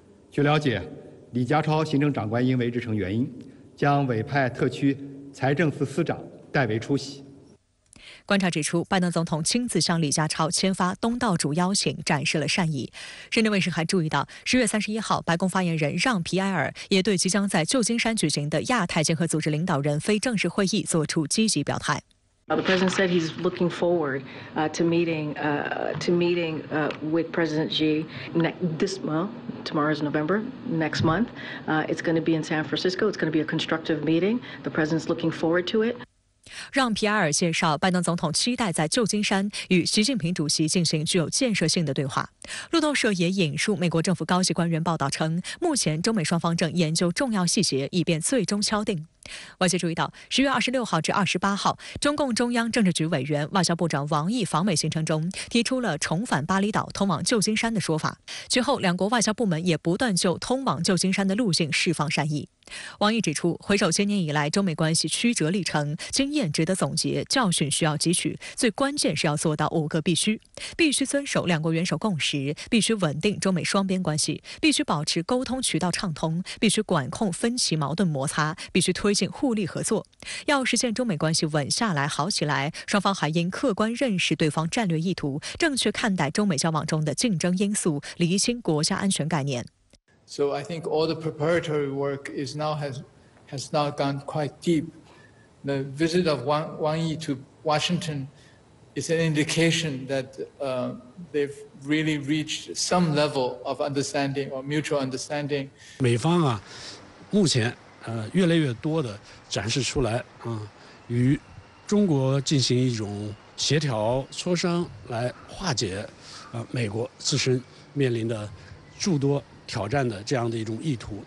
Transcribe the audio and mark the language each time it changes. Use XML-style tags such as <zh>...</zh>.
<zh>据了解，李家超行政长官因为日程原因，将委派特区财政司司长代为出席。观察指出，拜登总统亲自向李家超签发东道主邀请，展示了善意。深圳卫视还注意到，10月31号，白宫发言人让皮埃尔也对即将在旧金山举行的亚太经合组织领导人非正式会议作出积极表态。</zh> <en>The president said he's looking forward to meeting with President Xi next month. It's going to be in San Francisco. It's going to be a constructive meeting. The president's looking forward to it.</en> <zh>让皮埃尔介绍，拜登总统期待在旧金山与习近平主席进行具有建设性的对话。路透社也引述美国政府高级官员报道称，目前中美双方正研究重要细节，以便最终敲定。外界注意到，10月26号至28号，中共中央政治局委员、外交部长王毅访美行程中提出了重返巴厘岛、通往旧金山的说法。随后，两国外交部门也不断就通往旧金山的路径释放善意。王毅指出，回首些年以来中美关系曲折历程，经验值得总结，教训需要汲取，最关键是要做到5个必须：必须遵守两国元首共识，必须稳定中美双边关系，必须保持沟通渠道畅通，必须管控分歧矛盾摩擦，必须推进互利合作。要实现中美关系稳下来、好起来，双方还应客观认识对方战略意图，正确看待中美交往中的竞争因素，厘清国家安全概念。</zh> <en>So I think all the preparatory work has now gone quite deep. The visit of Wang Yi to Washington is an indication that they've really reached some level of understanding or mutual understanding.</en> <zh>美方啊，目前越来越多的展示出来啊，与中国进行一种协调磋商，来化解美国自身面临的诸多挑战的这样的一种意图。</zh>